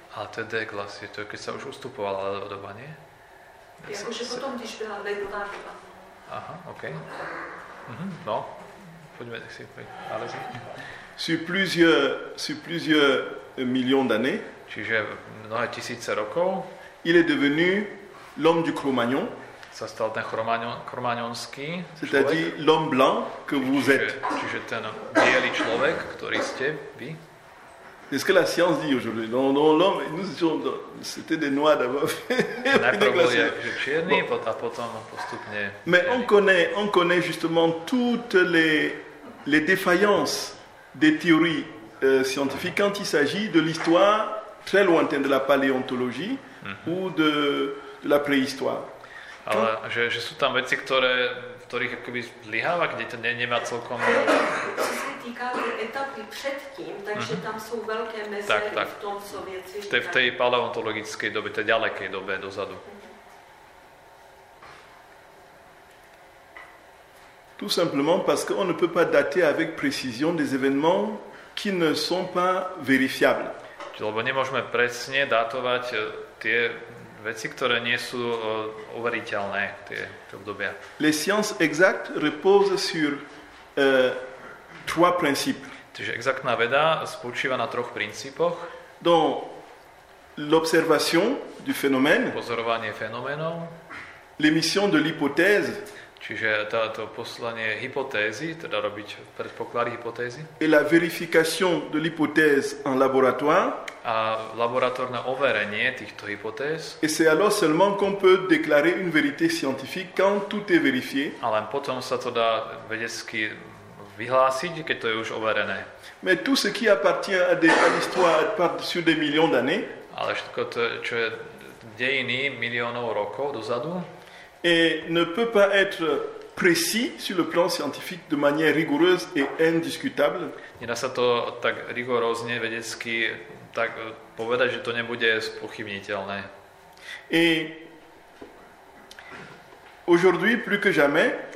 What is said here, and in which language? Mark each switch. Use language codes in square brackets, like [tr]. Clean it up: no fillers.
[sk] A to je deglacie, to je keď sa už ustupovala ľadová doba, nie? [cs] Jakože potom, když byla ledová doba. [sk] Aha, okej. No, poďme, nech si poď. [fr] Alezi. Sur plusieurs millions d'années, [sk] čiže mnohé tisíce rokov. [fr] Il est devenu l'homme du Cro-Magnon. [sk] Sa stal ten Cro-Magnonský človek. [fr] C'est-à-dire l'homme blanc que vous êtes. [sk] Čiže ten bielý človek, ktorý ste vy. [fr] C'est ce que la science dit aujourd'hui. Non, non, l'homme, nous étions... C'était des noirs d'abord. [sk] Najprv boli čierny, a potom postupne... [fr] Mais on connaît justement toutes les défaillances des théories scientifiques quand il s'agit de l'histoire très lointaine de la paléontologie ou de la préhistoire. [sk] Ale že sú tam veci, ktorých akoby zlyháva, kde to nemá celkom... Čo sa týka etapy predtým, takže tam sú veľké mezery tak. V tom, co veci... V tej paleontologickej dobe, tej ďalekej dobe dozadu. [fr] Tout simplement parce qu'on ne peut pas dater avec précision des événements qui ne sont pas vérifiables. [sk] Lebo nemôžeme presne datovať tie veci, ktoré nie sú overiteľné, tie obdobia. [fr] Les sciences exactes reposent sur trois principes. [sk] Čiže exaktná veda spočíva na troch princípoch. [fr] Donc l'observation du phénomène, [sk] pozorovanie fenoménov, [fr] l'émission de l'hypothèse, [sk] čiže to poslanie hypotézy, teda robiť predpoklady hypotézy, [fr] et la vérification de l'hypothèse en laboratoire, [sk] a laboratórne overenie týchto hypotéz. [fr] Et c'est alors seulement qu'on peut déclarer une vérité scientifique quand tout est vérifié. [sk] Ale potom sa to dá vedecky vyhlásiť, keď to je už overené. [fr] Mais tout ce qui appartient à l'histoire part sur des millions d'années. [sk] Ale všetko to, čo je dejiny miliónov rokov dozadu, [fr] et ne peut pas être précis sur le plan scientifique de manière rigoureuse et indiscutable. [sk] Nedá sa to tak rigorózne vedecky tak povedať, že to nebude spochybniteľné. [fr] Et aujourd'hui plus que jamais,